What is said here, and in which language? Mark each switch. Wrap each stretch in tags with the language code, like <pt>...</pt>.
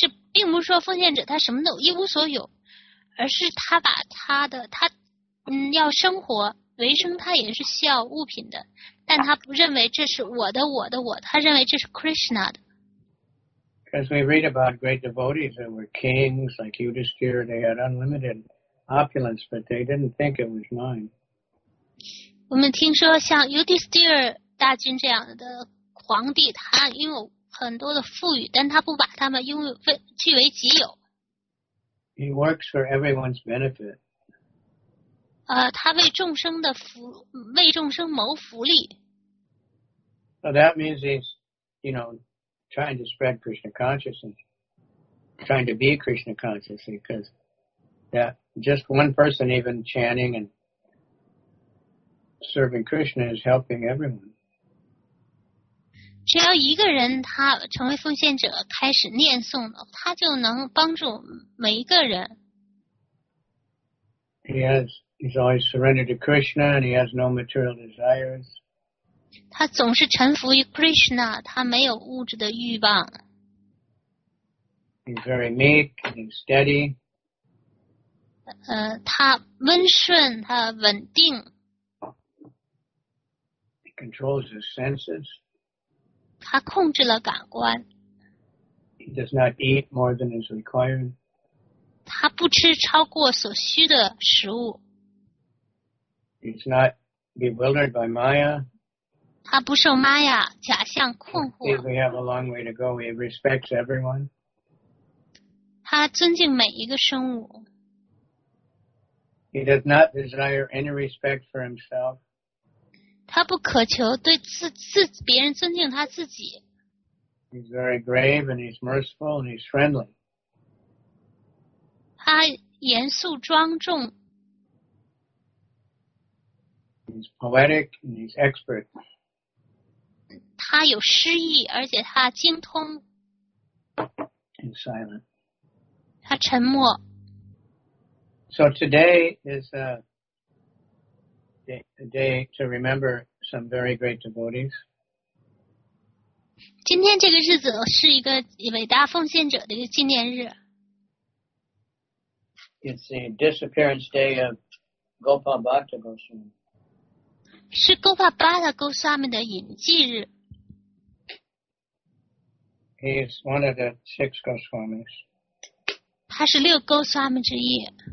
<zh>并不是说奉献者他什么都一无所有，而是他把他的要生活维生，他也是需要物品的，但他不认为这是我的，他认为这是 Krishna 的。</zh> <en>Because we read about great devotees that were kings like Yudhisthira, they had unlimited opulence, but they didn't think it was mine.</en> <zh>我们听说像 Yudhisthira 大君这样的皇帝，他拥有很多的富裕，但他不把他们拥有据为己有。</zh> <en>He works for everyone's benefit.</en> <zh>他为众生的福，为众生谋福利。</zh> <en>So that means he's, you know, trying to spread Krishna consciousness, trying to be Krishna conscious, because that just one person even chanting and serving Krishna is helping everyone.</en> <zh>只要一个人他成为奉献者开始念诵了，他就能帮助每一个人。</zh> <en>He's always surrendered to Krishna and he has no material desires.</en> <zh>他总是臣服于 Krishna, 他没有物质的欲望。</zh> <en>He's very meek and steady.</en> <zh>他温顺，他稳定。</zh> <en>He controls his senses.</en> <zh>他控制了感官。</zh> <en>He does not eat more than is required.</en> <zh>他不吃超过所需的食物。</zh> <en>He's not bewildered by Maya.</en> <zh>他不受 Maya 假象困惑。</zh> <en>We have a long way to go. He respects everyone.</en> <zh>他尊敬每一个生物。</zh> <en>He does not desire any respect for himself.</en> <zh>他不渴求对别人尊敬他自己。</zh> <en>He's very grave and he's merciful and he's friendly.</en> <zh>他严肃庄重。</zh> <en>He's poetic and he's expert.</en> <zh>他有诗意，而且他精通。</zh> <en>He's silent.</en> <zh>他沉默。</zh> <en>So today is a day to remember some very great devotees.</en> <zh>今天这个日子是一个伟大奉献者的一个纪念日。</zh> <en>It's the disappearance day of Gopal Bhatta Goswami.</en> <zh>是 Gopal Bhatta Goswami 的隐迹日。</zh> <en>He's one of the six Goswamis.</en> <zh>他是六 Goswami 之一。</zh>